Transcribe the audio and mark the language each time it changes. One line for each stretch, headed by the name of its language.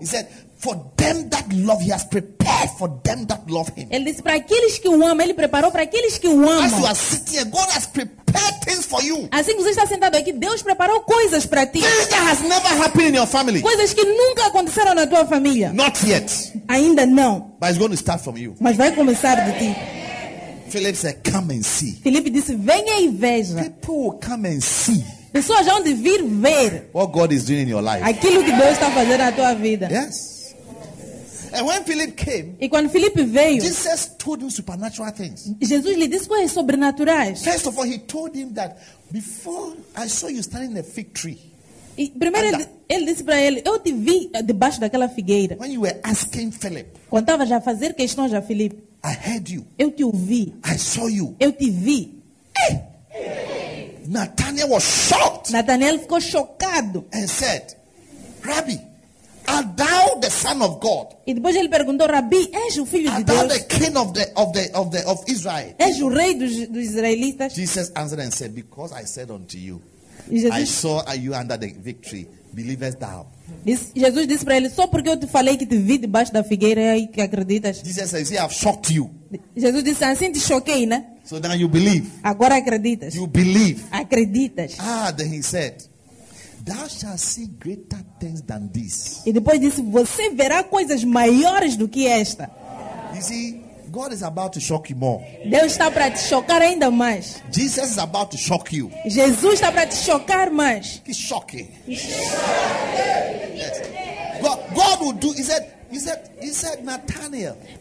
English: He said, for them that love, he has prepared for them that love him.
Portuguese: Ele disse para aqueles que o amam, ele preparou para aqueles que o amam.
English: As you are sitting here, God has prepared things for you.
Portuguese: Assim que você está sentado aqui, Deus preparou coisas para ti.
English: Things that has never happened in your family.
Portuguese: Coisas que nunca aconteceram na tua família.
English: Not yet.
Portuguese: Ainda não.
English: But it's going to start from you.
Portuguese: Mas vai começar de ti.
English: Philip said, come and see.
Portuguese: Felipe disse, venha e veja.
English: People will come and see.
Portuguese: Pessoas vão vir ver.
English: What God is doing in your life.
Portuguese: Aquilo que Deus está fazendo na tua vida.
English: Yes. And when Philip came,
Portuguese: e quando Felipe veio,
English: Jesus told him supernatural things.
Portuguese: Jesus lhe disse coisas sobrenaturais.
English: First of all, he told him that before I saw you standing in a fig tree.
Portuguese: E primeiro ele disse para ele, eu te vi debaixo daquela figueira.
English: When you were asking Philip,
Portuguese: quando estava já a fazer questões a Felipe,
English: I heard you.
Portuguese: Eu te ouvi.
English: I saw you.
Portuguese: Eu te vi.
English: Nathanael was shocked.
Portuguese: Nathanael ficou chocado.
English: And said, Rabbi, art thou the son of God?
Portuguese: E depois ele perguntou, Rabi, és o filho de Deus?
English: Art thou the king of Israel?
Portuguese: És o rei dos israelitas?
English: Jesus answered and said, because I said unto you, Jesus, I saw you under the fig tree, believest thou?
Portuguese: Jesus disse para ele, só porque eu te falei que te vi debaixo da figueira e que acreditas.
English: Jesus said, see, I've shocked you.
Portuguese: Jesus disse, assim te choquei, né?
English: So now you believe.
Portuguese: Agora acreditas.
English: You believe.
Portuguese: Acreditas.
English: Ah, then he said, thou shalt see greater things than this.
Portuguese: E depois disse, você verá coisas maiores do que esta.
English: You see, God is about to shock you more.
Portuguese: Deus está para te chocar ainda mais.
English: Jesus is about to shock you.
Portuguese: Jesus está para te chocar mais. Que choque. Yes.
English: God will do, he said, Nathaniel.